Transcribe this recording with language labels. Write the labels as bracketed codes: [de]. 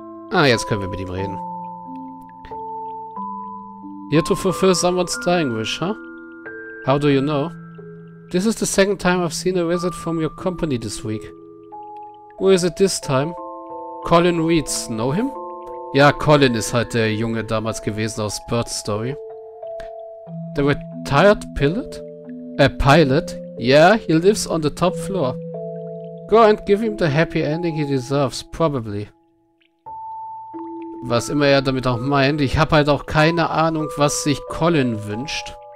[de] Ah, jetzt können wir mit ihm reden. [en] Here to fulfill someone's dying wish, huh? How do you know? This is the second time I've seen a wizard from your company this week. Who is it this time? Colin Reeds. Know him? [de] Ja, Colin ist halt der Junge damals gewesen aus Bird Story. [en] The retired pilot? Pilot? Yeah, he lives on the top floor. Go and give him the happy ending he deserves, probably. [de] Was immer er damit auch meint, ich habe halt auch keine Ahnung, was sich Colin wünscht.